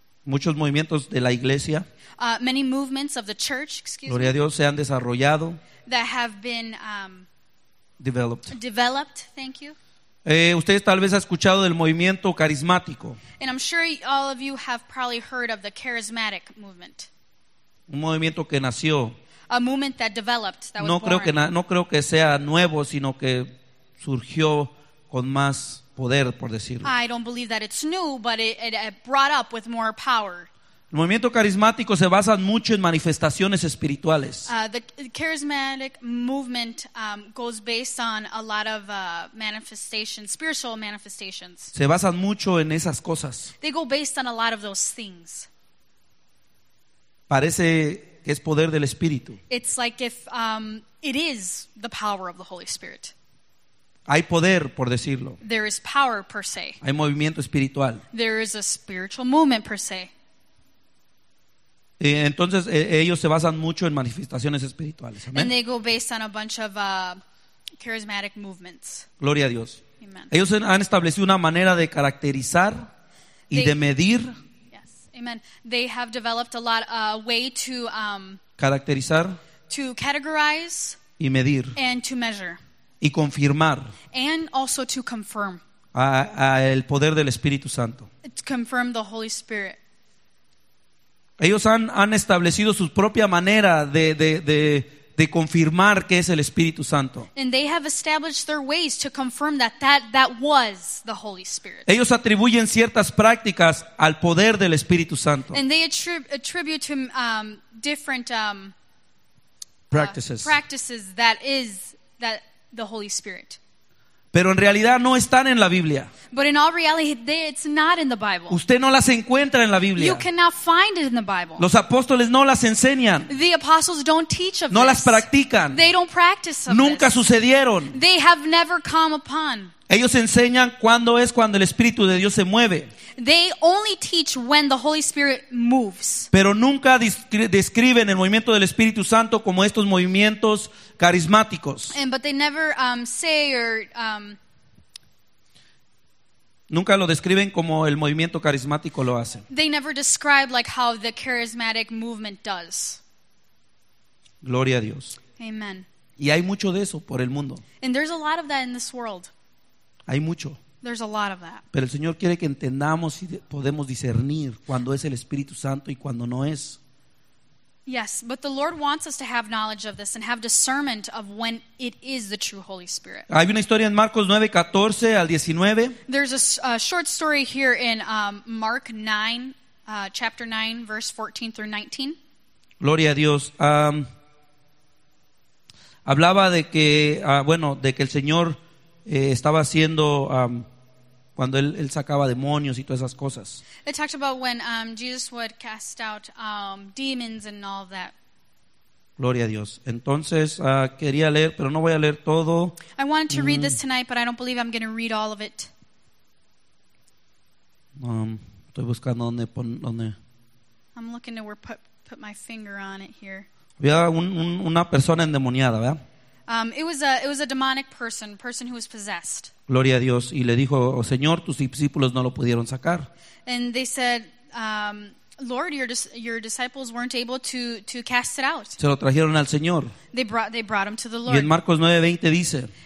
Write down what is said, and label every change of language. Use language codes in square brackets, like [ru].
[es] Muchos movimientos de la iglesia. [en] Many movements of the church, excuse me. [es] Gloria a Dios, se han desarrollado. [en] That have been developed. Thank you. [es] Ustedes tal vez ha escuchado del movimiento carismático. [en] And I'm sure all of you have probably heard of the charismatic movement. [es] Un movimiento que nació. [en] A movement that developed. That [es] no [en] was [es] creo [en] born. [es] Que no creo que sea nuevo, sino que surgió con más poder, por decirlo. [en] I don't believe that it's new, but it brought up with more power. [es] El movimiento carismático se basa mucho en manifestaciones espirituales. [en] The charismatic movement goes based on a lot of manifestations, spiritual manifestations. [es] Se basan mucho en esas cosas. [en] They go based on a lot of those things. [es] Parece que es poder del Espíritu. [en] It's like if it is the power of the Holy Spirit. [es] Hay poder, por decirlo. [en] There is power per se. [es] Hay movimiento espiritual. [en] There is a spiritual movement per se. [es] Entonces ellos se basan mucho en manifestaciones espirituales. [en] Amen. And they go based on a bunch of charismatic movements. [es] Gloria a Dios. [en] Amen. [es] Ellos han establecido una manera de caracterizar y de medir. [en] Yes, amen. They have developed a lot a way to [es] caracterizar, [en] to categorize [es] y medir, [en] and to measure [es] y confirmar, [en] and also to confirm [es] a el poder del Espíritu Santo. [en] To confirm the Holy Spirit. [es] Ellos han establecido su propia manera de confirmar que es el Espíritu Santo. [en] And they have established their ways to confirm that was the Holy Spirit. [es] Ellos atribuyen ciertas prácticas al poder del Espíritu Santo. [en] And they attribute to different practices that is that the Holy Spirit. [es] Pero en realidad no están en la Biblia. [en] But in all reality, it's not in the Bible. [es] Usted no las encuentra en la Biblia. [en] You cannot find it in the Bible. [es] Los apóstoles no las enseñan. [en] The apostles don't teach of this. [es] No las practican. [en] They don't practice of this. [es] Nunca sucedieron. [en] They have never come upon. [es] Ellos enseñan cuándo es cuando el Espíritu de Dios se mueve. [en] They only teach when the Holy Spirit moves. [es] Pero nunca describen el movimiento del Espíritu Santo como estos movimientos carismáticos. [en] And, but they never say or [es] nunca lo describen como el movimiento carismático lo hace. [en] They never describe like how the charismatic movement does. [es] Gloria a Dios. [en] Amen. [es] Y hay mucho de eso por el mundo. [en] And there's a lot of that in this world. [es] Hay mucho. [en] There's a lot of that. [es] Pero el Señor quiere que entendamos y podemos discernir cuando es el Espíritu Santo y cuando no es. [en] Yes, but the Lord wants us to have knowledge of this and have discernment of when it is the true Holy Spirit. [es] Hay una historia en Marcos 9, 14 al 19. [en] There's a short story here in Mark 9, chapter 9, verse 14 through 19. [es] Gloria a Dios. Hablaba de que, bueno, de que el Señor estaba haciendo cuando él sacaba demonios y todas esas cosas. [en] It talked about when Jesus would cast out demons and all that. [es] Gloria a Dios. Entonces quería leer, pero no voy a leer todo. [en] I wanted to read this tonight, but I don't believe I'm going to read all of it. [es] Estoy buscando dónde. [en] I'm looking to where put my finger on it here. [es] Había una persona endemoniada, ¿verdad? [en] It was a demonic person who was possessed. [es] Gloria a Dios. Y le dijo, oh, Señor, tus discípulos no lo pudieron sacar. [en] And they said, Lord, your disciples weren't able to cast it out. [es] Se lo trajeron al Señor. [en] They brought him to the Lord. [es] Y en Marcos 9:20 dice.